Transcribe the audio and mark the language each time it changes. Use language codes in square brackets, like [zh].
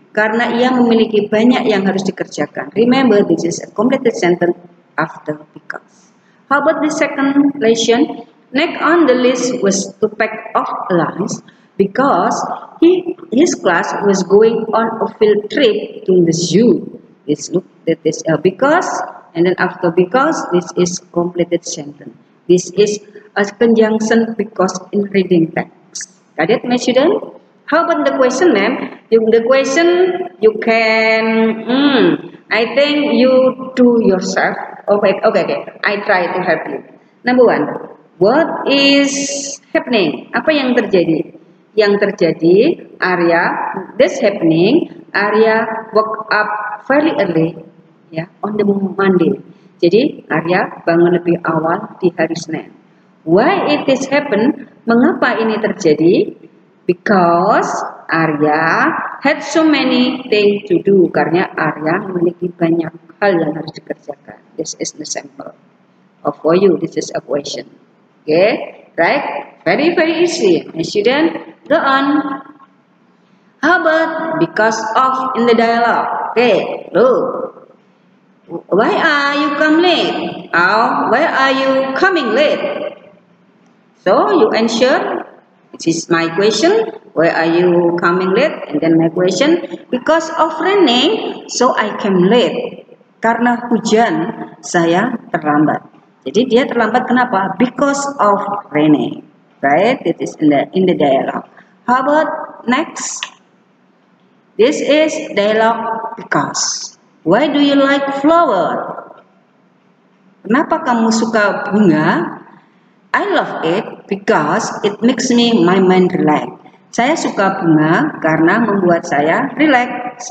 [id] Karena ia memiliki banyak yang harus dikerjakan. [en] Remember, this is a completed sentence after because. How about the second lesson? Next on the list was to pack off lunch because his class was going on a field trip to the zoo. This look, that is a because and then after because, this is completed sentence. This is a conjunction because in reading text. Got it, my student? How about the question, ma'am? The question, you can, I think you do yourself. Okay. I try to help you. Number one, what is happening? [id] Apa yang terjadi? Yang terjadi, [en] Arya, this happening, Arya woke up very early, yeah, on the Monday. [id] Jadi, Arya bangun lebih awal di hari Senin. [en] Why it is happen? [id] Mengapa ini terjadi? [en] Because Arya had so many things to do. [id] Karena Arya memiliki banyak hal yang harus dikerjakan. [en] This is the sample of for you. This is a question. Okay? Right? Very, very easy. And student, go on. How about because of in the dialogue? Okay, look. Why are you come late? Oh, why are you coming late? So you answer, this is my question. Why are you coming late? And then my question, because of raining, so I came late. [id] Karena hujan, saya terlambat. Jadi dia terlambat kenapa? [en] Because of raining. Right? This is in the dialogue. How about next? This is dialogue because. Why do you like flower? [id] Kenapa kamu suka bunga? [en] I love it because it makes me my mind relax. [id] Saya suka bunga karena membuat saya relax.